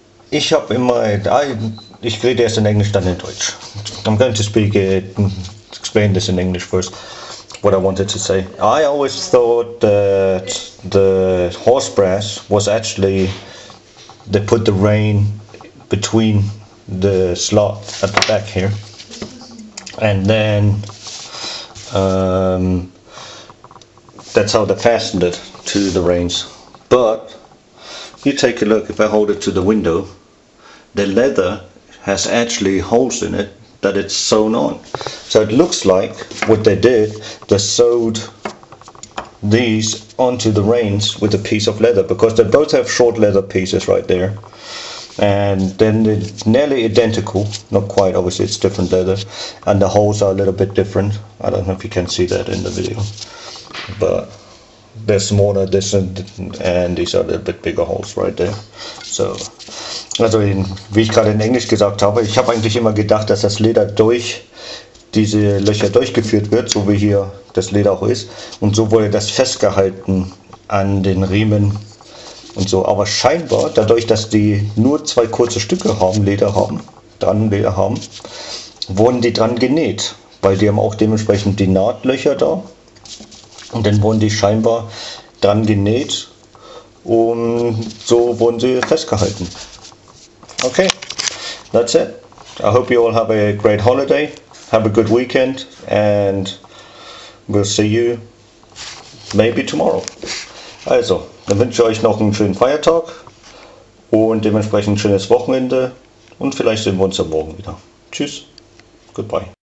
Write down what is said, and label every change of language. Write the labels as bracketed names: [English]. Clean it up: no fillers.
[German] Ich habe immer, ich rede erst in Englisch, dann in Deutsch. [English] I'm going to speak it, explain this in English first, what I wanted to say. I always thought that the horse brass was actually, they put the rein between the slot at the back here, and then that's how they fastened it to the reins. But you take a look, if I hold it to the window, the leather has actually holes in it that it's sewn on. So it looks like what they did, they sewed these onto the reins with a piece of leather, because they both have short leather pieces right there. And then it's nearly identical, not quite, obviously it's different leather, and the holes are a little bit different. I don't know if you can see that in the video, but they're smaller, this and these are a little bit bigger holes right there. [German] So, also in, wie ich gerade in Englisch gesagt habe, ich habe eigentlich immer gedacht, dass das Leder durch diese Löcher durchgeführt wird, so wie hier das Leder auch ist, und so wurde das festgehalten an den Riemen. Und so, aber scheinbar dadurch, dass die nur 2 kurze Stücke haben, Leder haben, dran Leder haben, wurden die dran genäht, weil die haben auch dementsprechend die Nahtlöcher da, und dann wurden die scheinbar dran genäht und so wurden sie festgehalten. [English] Okay, that's it. I hope you all have a great holiday, have a good weekend, and we'll see you maybe tomorrow. [German] Also, dann wünsche ich euch noch einen schönen Feiertag und dementsprechend ein schönes Wochenende, und vielleicht sehen wir uns ja morgen wieder. Tschüss, [English] goodbye.